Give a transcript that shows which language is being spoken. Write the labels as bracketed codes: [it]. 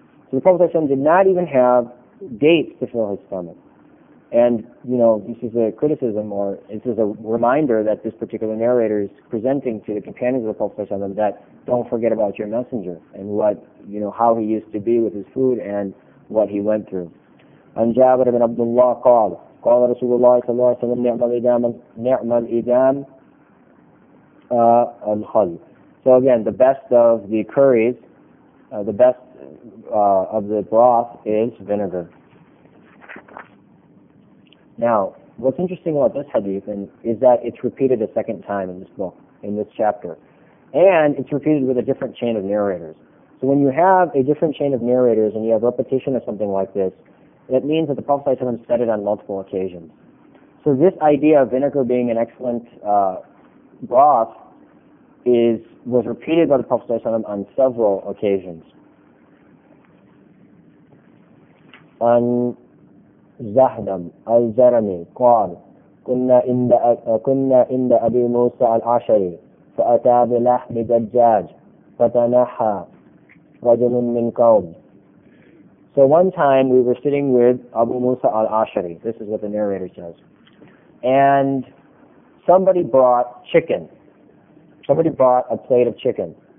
[en] So the Prophet ﷺ did not even have dates to fill his stomach. And, you know, this is a criticism, or this is a reminder that this particular narrator is presenting to the companions of the Prophet ﷺ, that don't forget about your messenger and what, you know, how he used to be with his food and what he went through. [ar] عن جابر بن عبد الله قال قال رسول الله صلى الله عليه وسلم نعم الإدام الخل. [en] So again, the best of the curries, the best of the broth is vinegar. Now, what's interesting about this hadith is that it's repeated a second time in this book, in this chapter. And it's repeated with a different chain of narrators. So when you have a different chain of narrators and you have repetition of something like this, that means that the Prophet ﷺ said it on multiple occasions. So this idea of vinegar being an excellent broth was repeated by the Prophet ﷺ on several occasions. [ar] عن زهدم الزرمي قال كنا عند أبي موسى العشري فأتى بلحم دجاج فتنحى رجل من قوم. [en] So one time we were sitting with Abu Musa al-Ashari, this is what the narrator says, and somebody brought chicken. Somebody brought a plate of chicken.